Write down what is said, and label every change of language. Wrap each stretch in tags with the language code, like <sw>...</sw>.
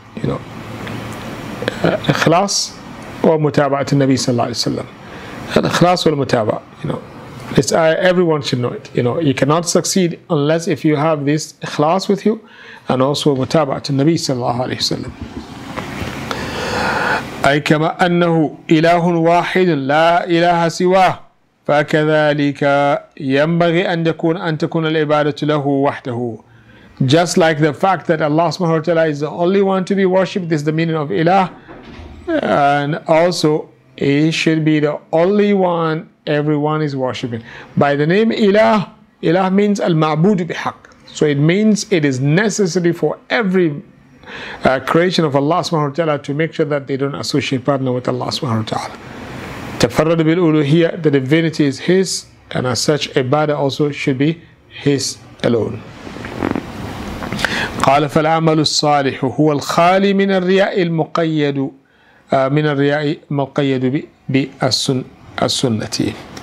<en>You know, ikhlas or mutaba'at al-Nabi sallallahu alayhi wa sallam. Ikhlas or mutaba'at, you know. It's everyone should know it. You know, you cannot succeed unless if you have this ikhlas with you, and also mutaba'at to Nabi sallallahu alayhi wa sallam.</en> <ar>أي كما أنه إله واحد لا إله سواه فكذلك ينبغي أن يكون أن تكون العبادة له وحده.</ar> <en>Just like the fact that Allah subhanahu wa ta'ala is the only one to be worshipped, this is the meaning of ilah, and also he should be the only one everyone is worshipping. By the name ilah, ilah means al-ma'bud bihaq. So it means it is necessary for every creation of Allah subhanahu wa ta'ala to make sure that they don't associate partner with Allah subhanahu wa ta'ala. Tafarrad bil uluhiyya, the divinity is his, and as such ibadah also should be his alone.</en> <ar>قَالَ فَالْعَمَلُ الصَّالِحُ هُوَ الْخَالِي مِنَ الرِّيَاءِ الْمُقَيَّدُ مِنَ الرِّيَاءِ مُقَيَّدُ بِالسُّنَّةِ As-sunnati.</ar>